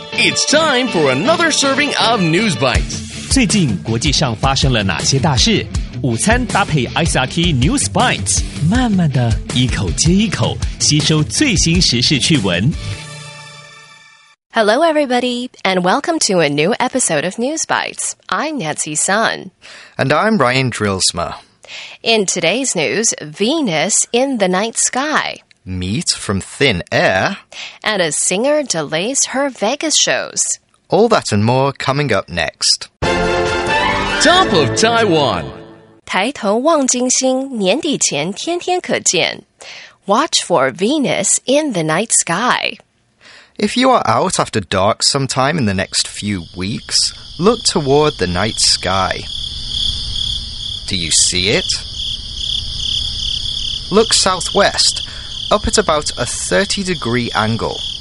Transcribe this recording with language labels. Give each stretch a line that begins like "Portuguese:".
English: It's time for another serving of News Bites.
Chinese: 最近国际上发生了哪些大事？午餐搭配 ISRK News Bites， 慢慢的一口接一口，吸收最新时事趣闻。
English: Hello, everybody, and welcome to a new episode of News Bites. I'm Nancy Sun. And I'm Ryan Drilsma. In today's news, Venus in the night sky. Meat from thin air. And a singer delays her Vegas shows. All that and more coming up next. Top of Taiwan.
Chinese: 抬头望金星，年底前天天可见。
English: Watch for Venus in the night sky. If you are out after dark sometime in the next few weeks, look toward the night sky. Do you see it? Look southwest, up at about a 30 degree angle.